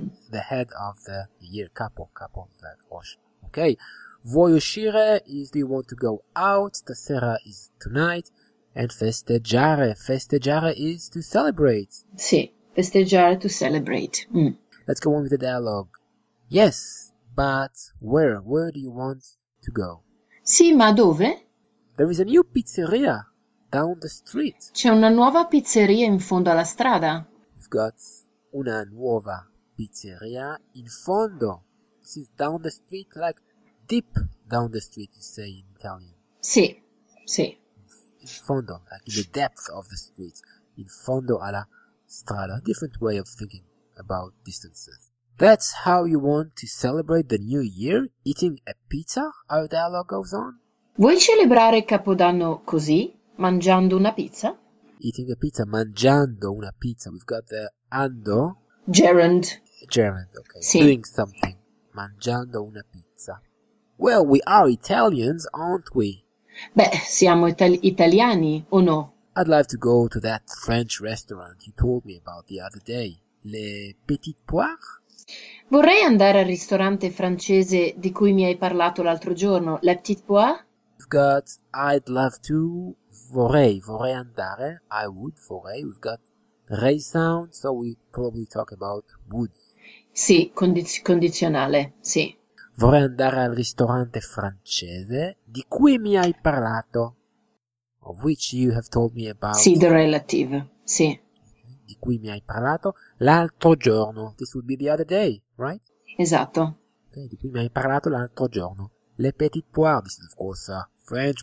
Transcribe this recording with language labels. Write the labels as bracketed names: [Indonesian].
[English] the head of the year, capo, the Rosh. Okay, [Italian] vuoi uscire [English] is do you want to go out, [Italian] stasera [English] is tonight, and [Italian] festeggiare [English] is to celebrate. [Italian] Sì, festeggiare [English] to celebrate. Let's go on with the dialogue. Yes, but where do you want to go? [Italian] Sì, ma dove? [English] There is a new pizzeria down the street. [Italian] C'è una nuova pizzeria in fondo alla strada? [English] We've got [Italian] una nuova pizzeria in fondo. [English] This is down the street, like deep down the street, you say in Italian. [Italian] Sì. [English] In fondo, like in the depth of the street. [Italian] In fondo alla strada. [English] Different way of thinking about distances. That's how you want to celebrate the new year? Eating a pizza? Our dialogue goes on. [Italian] Vuoi celebrare Capodanno così, mangiando una pizza? [English] Eating a pizza, [Italian] mangiando una pizza. [English] We've got the ando. Gerund. Gerund, okay. [Italian] Sì. [English] Doing something. [Italian] Mangiando una pizza. [English] Well, we are Italians, aren't we? [Italian] Beh, siamo italiani o no? [English] I'd like to go to that French restaurant you told me about the other day. [French] Le Petit Pois? [Italian] Vorrei andare al ristorante francese di cui mi hai parlato l'altro giorno, Le Petit Pois? [English] We've got I'd love to. [Italian] Vorrei andare, [English] I would, [Italian] vorrei, [English] we've got re sound, so we probably talk about would. [Italian] Sì, condizionale, sì. Vorrei andare al ristorante francese di cui mi hai parlato, [English] of which you have told me See the about, relative, [Italian] sì. Esatto. di cui mi hai parlato l'altro giorno. [English] This would be the other day, right? [Italian] Okay, di cui mi hai parlato l'altro giorno. [English] Le petit pois, this is of course, French.